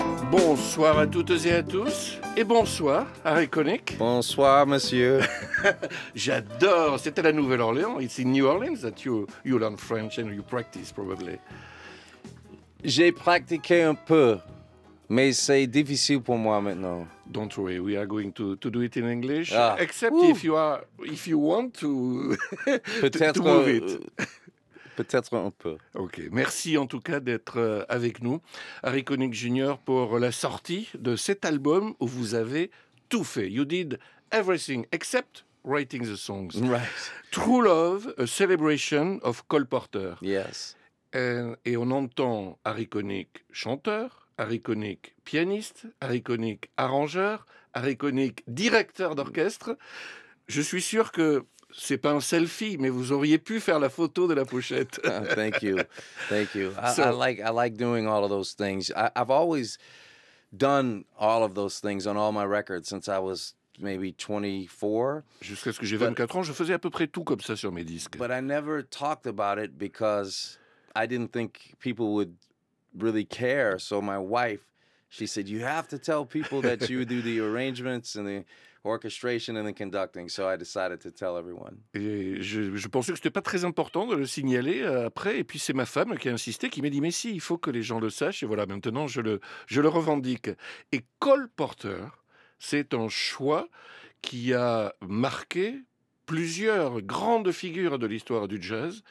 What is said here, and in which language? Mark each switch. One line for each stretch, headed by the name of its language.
French: Bonsoir à toutes et à tous, et bonsoir à Reconic. Bonsoir, monsieur. J'adore, c'était la Nouvelle-Orléans.
English: It's in New Orleans that you learn French and you practice, probably.
French: J'ai pratiqué un peu, mais c'est difficile pour moi maintenant.
English: Don't worry, we are going to do it in English. Ah. Except if you want to
French: peut-être
English: to move it.
French: Peut-être un peu. Ok, merci en tout cas d'être avec nous, Harry Connick Jr., pour la sortie de cet album où vous avez tout fait.
English: You did everything except writing the songs. Right. True Love, a celebration of Cole Porter. Yes.
French: Et on entend Harry Connick chanteur, Harry Connick pianiste, Harry Connick arrangeur, Harry Connick directeur d'orchestre. Je suis sûr que c'est pas un selfie, mais vous auriez pu faire la photo de la pochette.
English: Thank you. I like doing all of those things. I've always done all of those things on all my records since I was maybe 24.
French: Jusqu'à ce que j'ai 24 ans, je faisais à peu près tout comme ça sur mes disques.
English: But I never talked about it because I didn't think people would really care. So my wife, she said, you have to tell people that you do the arrangements and the orchestration and the conducting. So I decided to tell everyone.
French: Et je pensais que c'était pas très important de le signaler après. Et puis c'est ma femme qui a insisté, qui m'a dit, mais si, il faut que les gens le sachent. Et voilà, maintenant je le revendique. Et Cole Porter, c'est un choix qui a marqué plusieurs grandes figures de l'histoire du jazz.